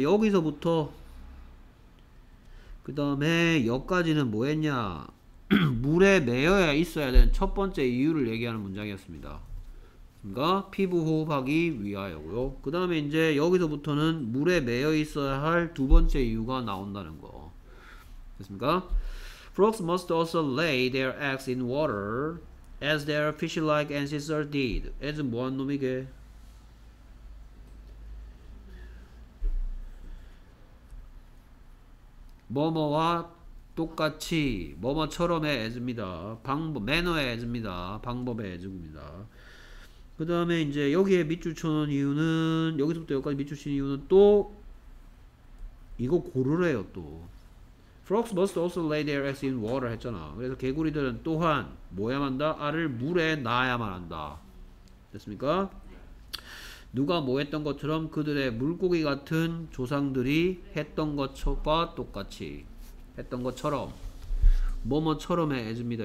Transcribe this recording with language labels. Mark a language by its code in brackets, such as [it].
[ko] 여기서부터 그 다음에 여기까지는 뭐 했냐. 물에 매여야 있어야 되는 첫 번째 이유를 얘기하는 문장이었습니다. 그러니까 피부 호흡하기 위하여고요. 그 다음에 이제 여기서부터는 물에 매여 있어야 할 두 번째 이유가 나온다는 거. 됐습니까? [en] Frogs must also lay their eggs in water as their fish-like ancestors did. [ko] As 뭐한 놈이게? 뭐뭐와 똑같이 뭐뭐처럼의 as입니다. 방법, 매너의 as입니다. 방법의 as입니다. 그 다음에 이제 여기에 밑줄 쳐놓은 이유는, 여기서부터 여기까지 밑줄 친 이유는 또 이거 고르래요. 또 [en] Frogs must also lay their eggs in water [ko] 했잖아. 그래서 개구리들은 또한 뭐야만 한다? 알을 물에 놔야만 한다. 됐습니까? 누가 뭐 했던 것처럼 그들의 물고기 같은 조상들이 했던 것과 똑같이 했던 것처럼 뭐뭐처럼의 as입니다.